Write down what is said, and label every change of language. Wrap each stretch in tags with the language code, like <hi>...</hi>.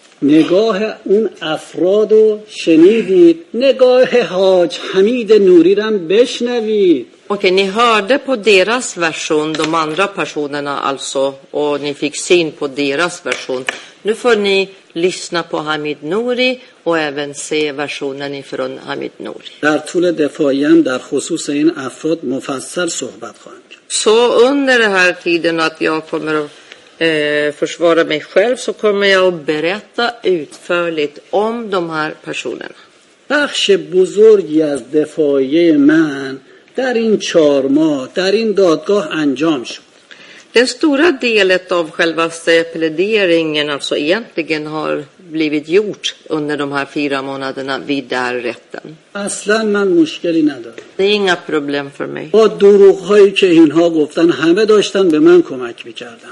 <fa>نگاه اون افراد رو شنیدید. نگاه حاج حمید نوری را بشنوید.</fa> <sv>Okej, ni hörde på deras version, de andra personerna alltså, och ni fick syn på deras version. Nu får ni lyssna på Hamid Nouri och även se versionen ifrån Hamid Nouri.</sv> <fa>در طول دفاعیم در خصوص این افراد مفصل صحبت خواهم کرد.</fa> <sv>Så under den här tiden att jag kommer att försvara mig själv så kommer jag att berätta utförligt om de här personerna.</sv> <fa>بخش بزرگی از دفاعی من در این چهار ماه در این دادگاه انجام شد.</fa> <sv>Den stora delen av själva pläderingen alltså egentligen har blivit gjort under de här fyra månaderna vid där rätten.</sv> <fa>Aslan man mushkeli nadar.</fa> <sv>Det är inga problem för mig. Och</sv> <fa>durughai ke inha goftan hame dashtan be man komak mikardan.</fa>